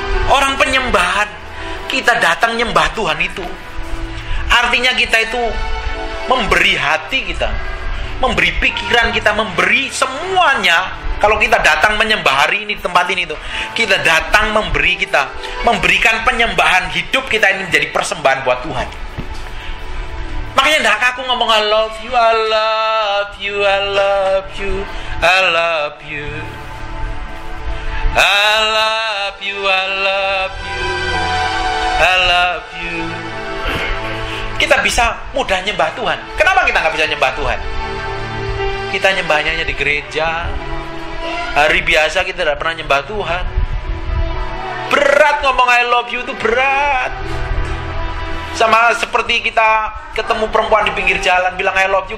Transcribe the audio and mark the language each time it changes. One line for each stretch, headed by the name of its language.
Indonesian: Orang penyembahan, kita datang nyembah Tuhan itu, artinya kita itu memberi hati kita, memberi pikiran kita, memberi semuanya. Kalau kita datang menyembah hari ini di tempat ini tuh, kita datang memberi, kita memberikan penyembahan hidup kita ini menjadi persembahan buat Tuhan. Makanya enggak aku ngomong
English: I love you, I love you,
Indonesian: I love you, I love you, I love you, I love you, I love you. Kita bisa mudah nyembah Tuhan. Kenapa kita enggak bisa nyembah Tuhan? Kita nyembahnya di gereja. Hari biasa kita tidak pernah nyembah Tuhan. Berat ngomong
English: I love you
Indonesian: itu berat. Sama seperti kita ketemu perempuan di pinggir jalan bilang I love you.